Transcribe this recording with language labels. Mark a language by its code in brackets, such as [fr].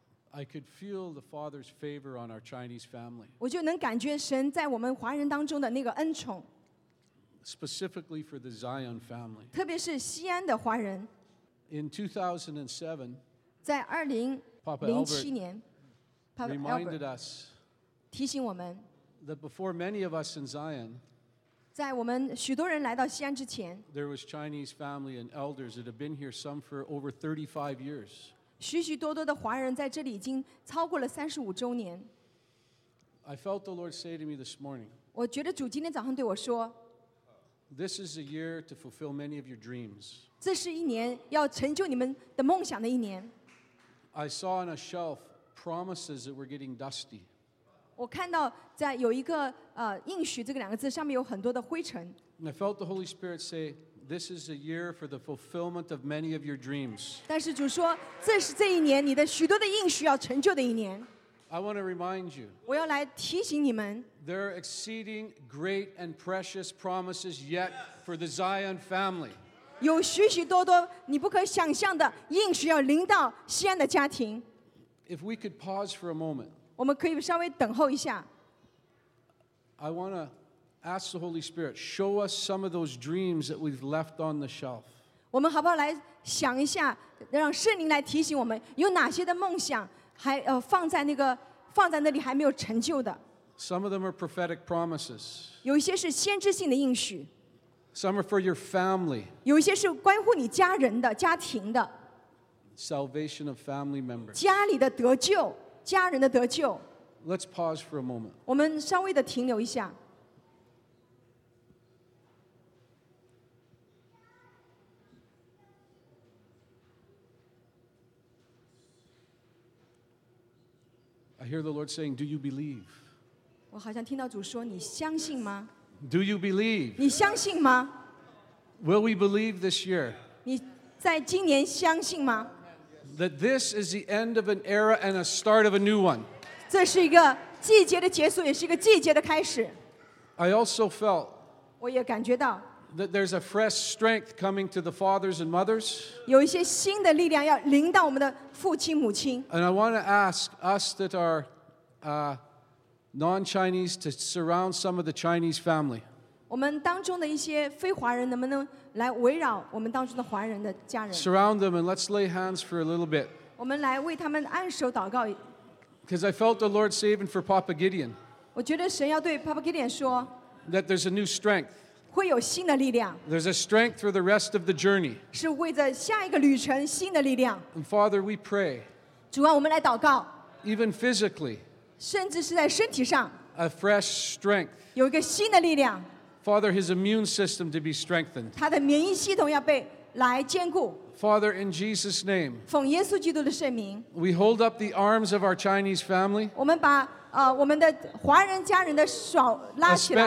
[en] I could feel the Father's favor on our Chinese family. [zh] 我就能感觉神在我们华人当中的那个恩宠。 [en] Specifically for the Zion family. [zh] 特别是西安的华人。 [en] In 2007, [zh] 在2007年, [en] Papa Albert reminded us [zh] 提醒我们, [en] that before many of us in Zion, [zh] 在我们许多人来到西安之前, [en] there was Chinese family and elders that had been here some for over 35 years. [zh] 许许多多的华人在这里已经超过了35周年。 [en] I felt the Lord say to me this morning, [zh] 我觉得主今天早上对我说, [en] this is a year to fulfill many of your dreams. [zh] 这是一年要成就你们的梦想的一年。 [en] I saw on a shelf promises that were getting dusty. [zh] 我看到在有一个应许这个两个字上面有很多的灰尘。 [en] And I felt the Holy Spirit say, this is a year for the fulfillment of many of your dreams. [zh] 但是主说，这是这一年你的许多的应许要成就的一年。 [en] I want to remind you, [zh] 我要来提醒你们, [en] there are exceeding great and precious promises yet for the Zion family. [zh] 有许许多多你不可想象的应许要临到西安的家庭。 [en] If we could pause for a moment, [zh] 我们可以稍微等候一下。 [en] I want to ask the Holy Spirit, show us some of those dreams that we've left on the shelf. [zh] 我们好不好来想一下，让圣灵来提醒我们，有哪些的梦想还放在那里还没有成就的。 [en] Some of them are prophetic promises. [zh] 有一些是先知性的应许。 [en] Some are for your family. [zh] 有一些是关乎你家人的、家庭的。 [en] Salvation of family members. [zh] 家里的得救，家人的得救。 [en] Let's pause for a moment. [zh] 我们稍微的停留一下。 [en] I hear the Lord saying, do you believe? [zh] 我好像听到主说，你相信吗？ [en] Do you believe? [zh] 你相信吗？ [en] Will we believe this year? [zh] 你在今年相信吗？ [en] That this is the end of an era and a start of a new one. [zh] 这是一个季节的结束，也是一个季节的开始。 [en] I also felt, [zh] 我也感觉到, [en] that there's a fresh strength coming to the fathers and mothers. [zh] 有一些新的力量要临到我们的父亲母亲。 [en] And I want to ask us that are non-Chinese to surround some of the Chinese family. [zh] 我们当中的一些非华人能不能来围绕我们当中的华人的家人？ [en] Surround them and let's lay hands for a little bit. [zh] 我们来为他们按手祷告。 [en] Because I felt the Lord saving for Papa Gideon. [zh] 我觉得神要对 Papa Gideon 说。 [en] That there's a new strength. [zh] 会有新的力量。 [en] There's a strength for the rest of the journey. [zh] 是为着下一个旅程新的力量。 [en] And Father, we pray. [zh] 主啊，我们来祷告。 [en] Even physically. [zh] 甚至是在身体上。 [en] A fresh strength. [zh] 有一个新的力量。 [en] Father, his immune system to be strengthened. [zh] 他的免疫系统要被来坚固。 [en] Father, in Jesus' name. [zh] 奉耶稣基督的圣名。 [en] We hold up the arms of our Chinese family. [zh] 我们把我们的华人家人的手拉起来，